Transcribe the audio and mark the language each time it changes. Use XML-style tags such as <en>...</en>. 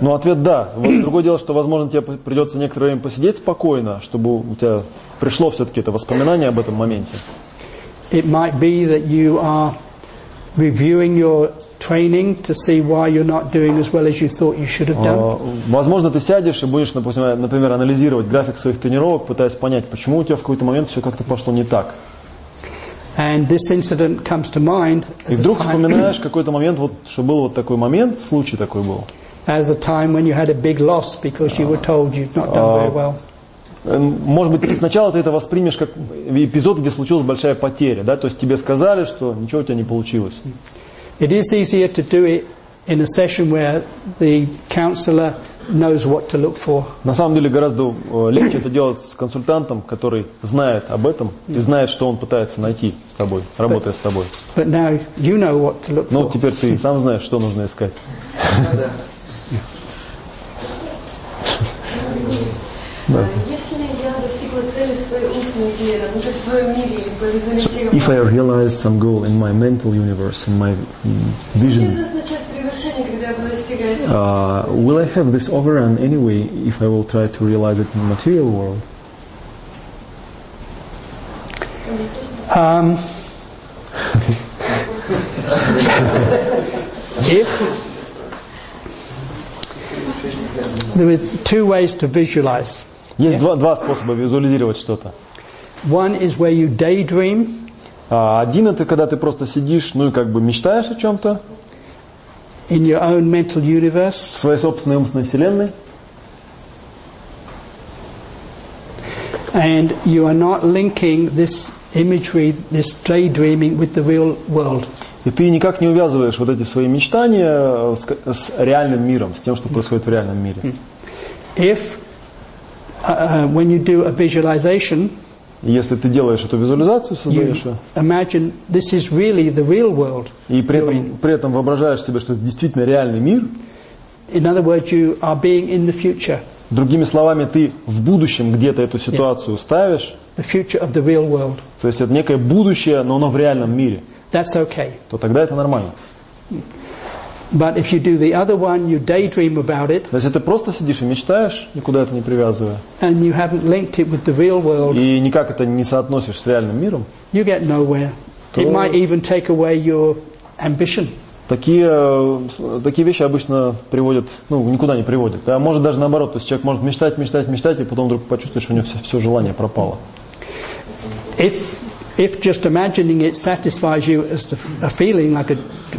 <ru>Ну, ответ да. Другое дело, что, возможно, тебе придется некоторое время посидеть спокойно, чтобы у тебя пришло все-таки это воспоминание об этом моменте.</ru> <en>It might be that you are reviewing your training to see why you're not doing as well as you thought you should have done.</en> <ru>Возможно, ты сядешь и будешь, например, анализировать график своих тренировок, пытаясь понять, почему у тебя в какой-то момент все как-то пошло не так.</ru> <en>And this incident comes to mind.</en> <ru>И вдруг вспоминаешь какой-то момент, вот что был вот такой момент, случай такой был.</ru> <en>As a time when you had a big loss because you were told you've not done very well.</en> <ru>Может быть, сначала ты это воспримешь как эпизод, где случилась большая потеря, да? То есть тебе сказали, что ничего у тебя не получилось.</ru> <en>It is easier to do it in a session where the counselor knows what to look for.</en> <ru>На самом деле гораздо легче это делать с консультантом, который знает об этом и знает, что он пытается найти с тобой, работая с тобой.</ru> <en>But now you know what to look for.</en> <ru>Ну, теперь ты сам знаешь, что нужно искать. Да. Если я достигла цели в своей умственной вселенной, то есть в своем мире или визуализировала.</ru> <en>If I realized some goal in my mental universe, in my vision. Will I have this overrun anyway if I will try to realize it in the material world? If there are two ways to visualize.</en> <ru>Есть два способа визуализировать что-то.</ru> <en>One is where you daydream.</en> <ru>Один это когда ты просто сидишь, ну и как бы мечтаешь о чем-то.</ru> <en>In your own mental universe.</en> <ru>В своей собственной умственной вселенной.</ru> <en>And you are not linking this imagery, this daydreaming, with the real world.</en> <ru>И ты никак не увязываешь вот эти свои мечтания с реальным миром, с тем, что происходит в реальном мире.</ru> <en>If when you do a visualization.</en> <ru>Если ты делаешь эту визуализацию, создаешь ее.</ru> <en>Imagine this is really the real world.</en> <ru>И при этом воображаешь себе, что это действительно реальный мир.</ru> <en>In other words, you are being in the future.</en> <ru>Другими словами, ты в будущем где-то эту ситуацию ставишь.</ru> <en>The future of the real world.</en> <ru>То есть это некое будущее, но оно в реальном мире.</ru> <en>That's okay.</en> <ru>То тогда это нормально.</ru> <en>But if you do the other one, you daydream about it.</en> <ru>То есть ты просто сидишь и мечтаешь, никуда это не привязывая.</ru> <en>And you haven't linked it with the real world.</en> <ru>И никак это не соотносишь с реальным миром.</ru> <en>You get nowhere. It might even take away your ambition.</en> <ru>Такие вещи обычно приводят, ну, никуда не приводят. А может даже наоборот, то есть человек может мечтать, и потом вдруг почувствует, что у него все желание пропало.</ru> <en>If just imagining it satisfies you as a feeling, like a that's</en>